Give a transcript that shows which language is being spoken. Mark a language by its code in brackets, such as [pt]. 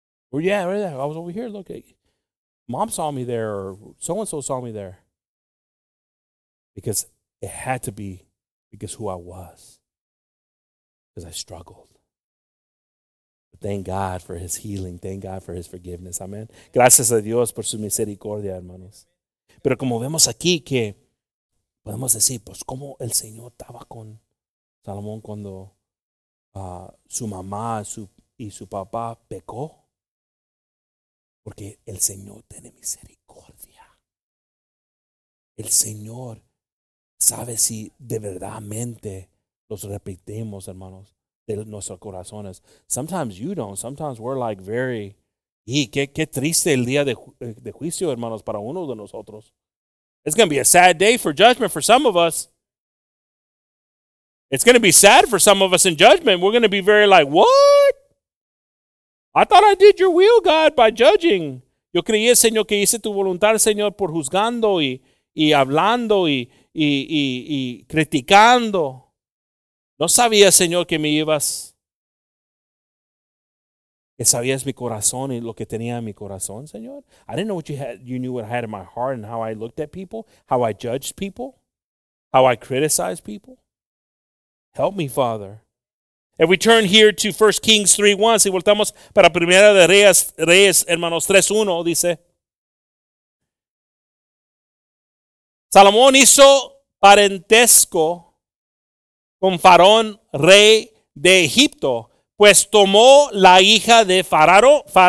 [en] Well, yeah, right there. I was over here. Look, mom saw me there, or so-and-so saw me there. Because it had to be because who I was. Because I struggled. But thank God for his healing. Thank God for his forgiveness. Amen. [es] Gracias a Dios por su misericordia, hermanos. Pero como vemos aquí que podemos decir, pues como el Señor estaba con Salomón cuando su mamá y su papá pecó. Porque el Señor tiene misericordia. El Señor sabe si de verdadmente los repetimos, hermanos, de nuestros corazones. [en] Sometimes you don't. Sometimes we're like very, [es] y qué triste el día de juicio, hermanos, para uno de nosotros. [en] It's going to be a sad day for judgment for some of us. It's going to be sad for some of us in judgment. We're going to be very like, what? I thought I did your will, God, by judging. [es] Yo creí, Señor, que hice tu voluntad, Señor, por juzgando y hablando y criticando. No sabía, Señor, que me ibas. Que sabías mi corazón y lo que tenía en mi corazón, Señor. [en] I didn't know what you had. You knew what I had in my heart and how I looked at people, how I judged people, how I criticized people. Help me, Father. If we turn here to 1 Kings 3:1, [es] si voltamos para Primera de Reyes, hermanos, 3:1, dice, Salomón hizo parentesco con Faraón, rey de Egipto, pues tomó la hija de Faraón.